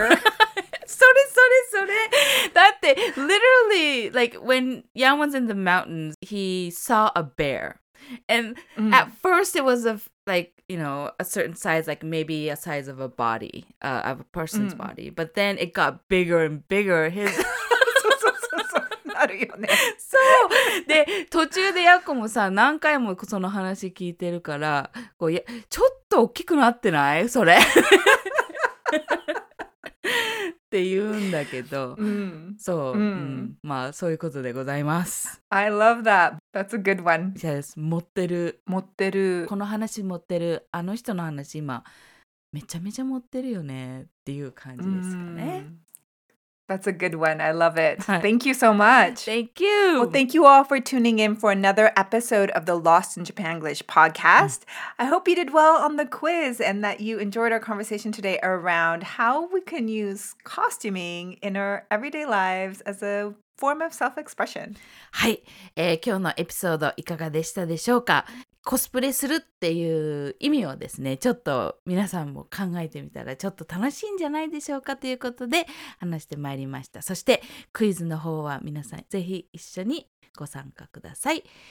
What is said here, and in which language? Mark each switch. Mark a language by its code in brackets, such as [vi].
[ja] それそれそれ。だって [en] literally, like when Jan was in the mountains, he saw a bear. And at first it was of like, you know, a certain size, like maybe a size of a body, of a person's body. But then it got bigger and bigger. His... [ja] そうで途中でヤコもさ何回もその話聞いてるからこうやちょっと大きくなってないそれって言うんだけど、そう、まあそういうことでございます。 [en] I love that. That's a good one. [ja] Yes, 持ってる。持ってる。この話持ってる。あの人の話今めちゃめちゃ持ってるよねっていう感じですかね。 [en] That's a good one. I love it. Thank you so much. Thank you. Well, thank you all for tuning in for another episode of the Lost in Japanglish podcast. I hope you did well on the quiz and that you enjoyed our conversation today around how we can use costuming in our everyday lives as a form of self-expression. [ja] はい、今日のエピソードいかがでしたでしょうか? コスプレするっていう意味をですね、ちょっと皆さんも考えてみたらちょっと楽しいんじゃないでしょうかということで話してまいりました。そしてクイズの方は皆さんぜひ一緒にご参加ください。